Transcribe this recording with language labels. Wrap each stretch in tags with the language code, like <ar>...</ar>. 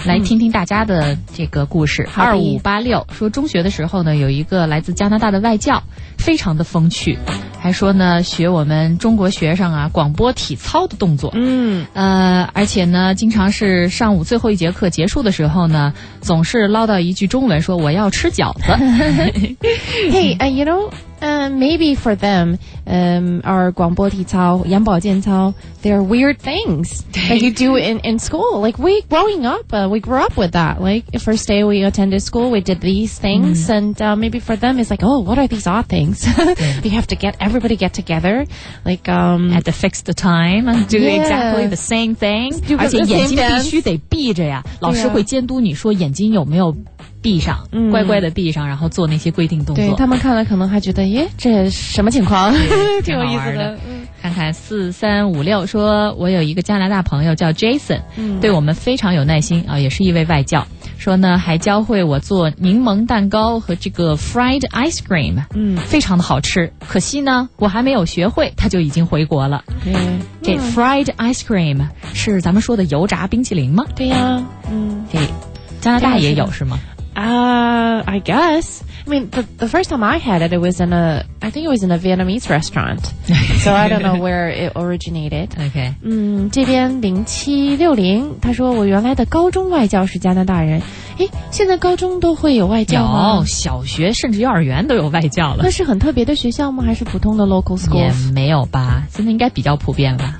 <zh>来听听大家的这个故事。2586说中学的时候呢，有一个来自加拿大的外教，非常的风趣，还说呢学我们中国学生啊广播体操的动作，嗯，而且呢经常是上午最后一节课结束的时候呢，总是唠叨一句中文，说我要吃饺子。</zh> <en>Hey, you know, maybe for them, our</en> <zh>广播体操、眼保健操</zh> <en>they are weird things that you do in school. Like we growing up, we grew up with that. Like the first day we attended school, we did these things, mm-hmm. and maybe for them it's like, oh, what are these odd things? We have to get everybody together, like at the fixed time, do exactly the same thing.</en> <zh>而且眼睛必须得闭着呀，老师会监督你说眼睛有没有闭上，嗯，乖乖的闭上，然后做那些规定动作。对他们看了可能还觉得，耶，这什么情况？挺有意思的。看看4356说，我有一个加拿大朋友叫 Jason，嗯，对我们非常有耐心啊，也是一位外教。说呢，还教会我做柠檬蛋糕和这个 fried ice cream，嗯，非常的好吃。可惜呢，我还没有学会，他就已经回国了。对，嗯，这 fried ice cream 是咱们说的油炸冰淇淋吗？对呀，啊，嗯，这加拿大也有是吗？</zh> <en>I guess. I mean, the first time I had it, it was in a, I think it was in a Vietnamese restaurant. So I don't know where it originated. Okay.</en> <zh>嗯，这边0760，他说我原来的高中外教是加拿大人。诶，现在高中都会有外教吗？有，小学甚至幼儿园都有外教了。那是很特别的学校吗？还是普通的</zh> <en>local school？</en> <zh>也没有吧，现在应该比较普遍吧。</zh>